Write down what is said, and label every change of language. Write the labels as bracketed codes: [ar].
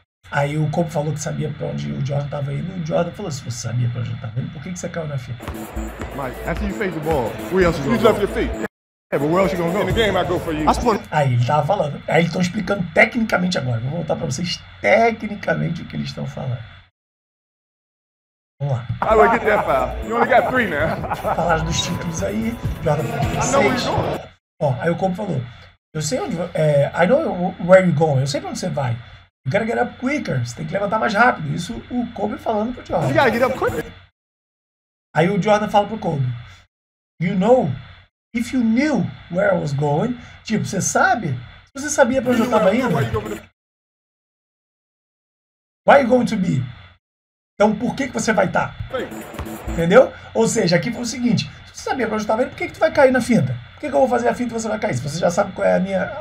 [pt] Aí o Kobe falou que sabia pra onde o Jordan tava indo, e o Jordan falou, se você sabia pra onde eu tava indo, por que que você caiu na fita? [en] Mike, after you face the ball, where else you gonna go? You left your feet. Yeah, but where else you gonna go? In the game, I go for you. [pt] Aí ele tava falando, aí eles tão explicando tecnicamente agora, vou voltar pra vocês tecnicamente o que eles estão falando. Vamos lá. [en] I will get that foul. You only got three now. [pt] Falaram dos títulos aí. Jordan foi 16. Ó, aí o Kobe falou. Eu sei onde... [en] I know where you're going. [pt] Eu sei pra onde você vai. [en] You gotta get up quicker. [pt] Você tem que levantar mais rápido. Isso o Kobe falando pro Jordan. [en] You gotta get up quicker. [pt] Aí o Jordan fala pro Kobe. [en] You know, if you knew where I was going... [pt] Tipo, você sabe? Se você sabia pra onde eu tava indo... [en] Where are you going to be? [pt] Então, por que que você vai estar? Entendeu? Ou seja, aqui foi o seguinte. Se você sabia pra onde eu tava indo, por que que tu vai cair na finta? Por que que eu vou fazer a finta e você vai cair? Se você já sabe qual é a minha...